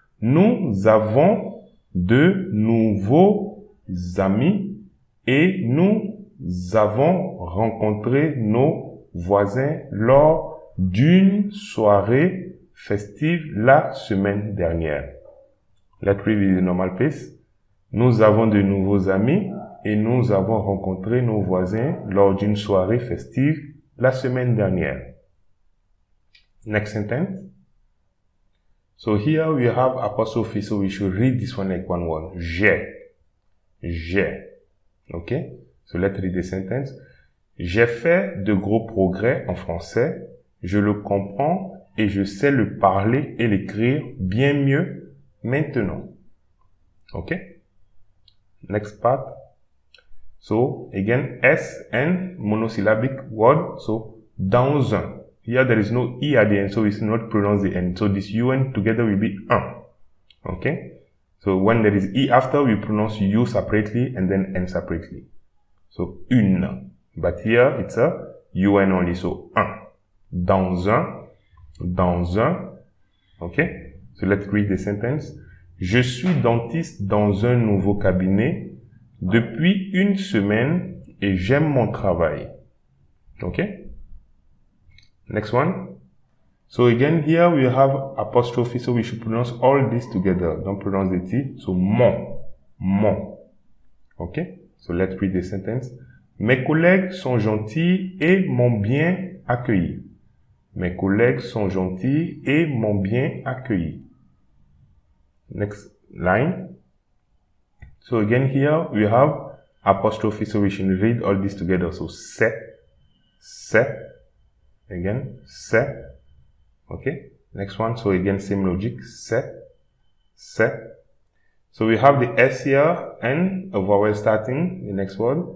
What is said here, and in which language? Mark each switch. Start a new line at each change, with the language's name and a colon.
French: Nous avons de nouveaux amis et nous avons rencontré nos voisins lors d'une soirée festive la semaine dernière.
English: Let's read with a normal pace.
French: Nous avons de nouveaux amis et nous avons rencontré nos voisins lors d'une soirée festive la semaine dernière.
English: Next sentence. So here we have apostrophe, so we should read this one like one word.
French: J'ai. J'ai.
English: Okay? So let's read the sentence.
French: J'ai fait de gros progrès en français. Je le comprends et je sais le parler et l'écrire bien mieux maintenant.
English: Okay? Next part. So, again, S and monosyllabic word.
French: So, dans un.
English: Here, there is no E at the end, so it's not pronounced the N. So, this UN together will be un. Okay? So, when there is E after, we pronounce U separately and then N separately. So, une. But here, it's a UN only. So, un.
French: Dans un. Dans un.
English: Okay? So, let's read the sentence.
French: Je suis dentiste dans un nouveau cabinet depuis une semaine et j'aime mon travail.
English: Okay? Next one. So again, here we have apostrophe, so we should pronounce all this together. Don't pronounce the T. So mon. Mon. Okay? So let's read the sentence.
French: Mes collègues sont gentils et m'ont bien accueilli. Mes collègues sont gentils et m'ont bien accueilli.
English: Next line. So again here we have apostrophe, so we should read all this together. So se, se, again se, okay. Next one, so again same logic, se, se. So we have the S here and a vowel starting the next word.